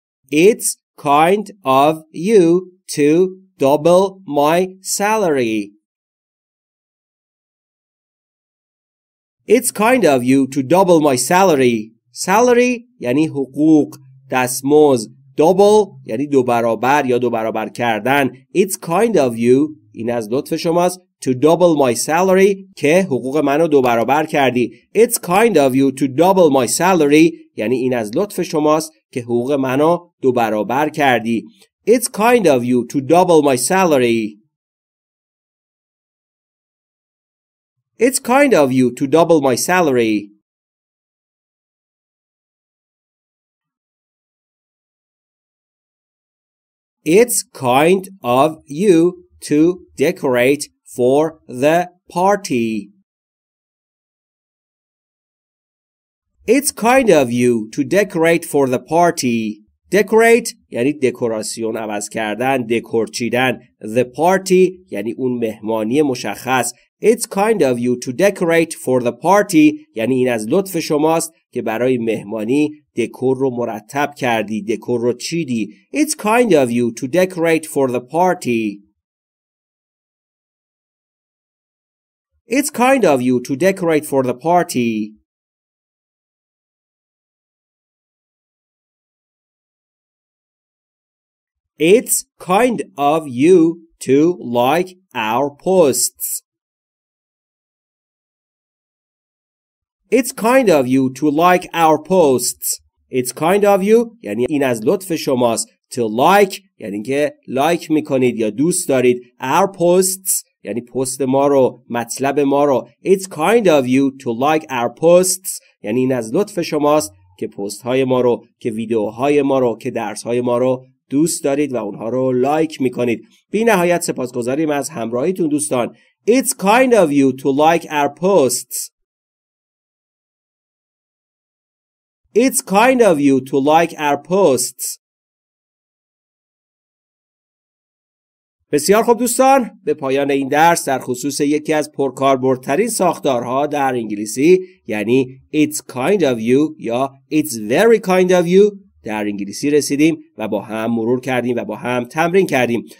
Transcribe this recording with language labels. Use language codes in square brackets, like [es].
[en] It's kind of you to double my salary. It's kind of you to double my salary. [fa] Salary یعنی حقوق، دستمزد. Double یعنی دو برابر یا دو برابر کردن. [en] It's kind of you [fa] این از لطف شماست [en] to double my salary [fa] که حقوق منو دو برابر کردی. [en] It's kind of you to double my salary [fa] یعنی این از لطف شماست که حقوق منو دو برابر کردی. [en] It's kind of you to double my salary. It's kind of you to double my salary. It's kind of you to decorate for the party. It's kind of you to decorate for the party. [fa] Decorate یعنی دکوراسیون عوض کردن، دکور چیدن. [en] The party [fa] یعنی اون مهمانی مشخص. [en] It's kind of you to decorate for the party [fa] یعنی این از لطف شماست که برای مهمانی دکور رو مرتب کردی، دکور رو چیدی. [en] It's kind of you to decorate for the party. It's kind of you to decorate for the party. It's kind of you to like our posts. It's kind of you to like our posts. It's kind of you [fa] یعنی این از لطف شماست. [en] To like [fa] یعنی که like میکنید یا دوست دارید. [en] Our posts [fa] یعنی پست ما رو، مطلب ما رو. [en] It's kind of you to like our posts [fa] یعنی این از لطف شماست که پست های ما رو، که ویدیوهای ما رو، که درس های ما رو دوست دارید و اونها رو لایک میکنید. بی نهایت سپاسگزاریم از همراهیتون دوستان. [en] It's kind of you to like our posts. It's kind of you to like our posts. [fa] بسیار خوب دوستان، به پایان این درس در خصوص یکی از پرکاربردترین ساختارها در انگلیسی، یعنی [en] It's kind of you [fa] یا [en] It's very kind of you [fa] در انگلیسی رسیدیم و با هم مرور کردیم و با هم تمرین کردیم.